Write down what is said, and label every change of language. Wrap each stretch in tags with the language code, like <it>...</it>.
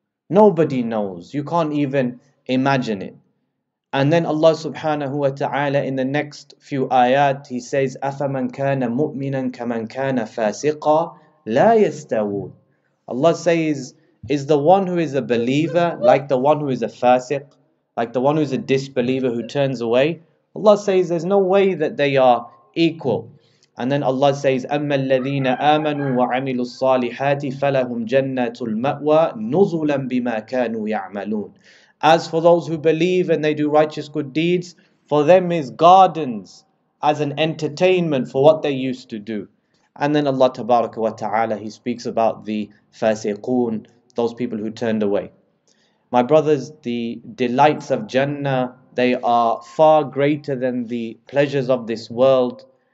<en>Nobody knows. You can't even imagine it. And then Allah subhanahu wa ta'ala in the next few ayat, He says,</en> <ar>أَفَمَنْ كَانَ مُؤْمِنًا كَمَنْ كَانَ فَاسِقًا لَا يَسْتَوُونَ.</ar> <en>Allah says, is the one who is a believer like the one who is a fasiq, like the one who is a disbeliever who turns away? Allah says, there's no way that they are equal. And then Allah says,</en> <ar>أَمَّا الَّذِينَ آمَنُوا وَعَمِلُوا الصَّالِحَاتِ فَلَهُمْ جَنَّةُ الْمَأْوَى نُزُلًا بِمَا كَانُوا يَعْمَلُونَ.</ar> <en>As for those who believe and they do righteous good deeds, for them is gardens as an entertainment for what they used to do. And then Allah tabaraka wa ta'ala, He speaks about the fasiqoon, those people who turned away. My brothers, the delights of Jannah, they are far greater than the pleasures of this world.</en>